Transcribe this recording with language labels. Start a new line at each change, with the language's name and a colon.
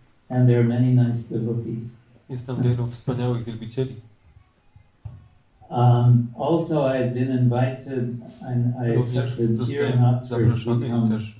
English: And there are many nice devotees.
Polish: Jest tam wielu wspaniałych wielbicieli.
English: Also I've been invited and I accepted here in Oxford to become, a,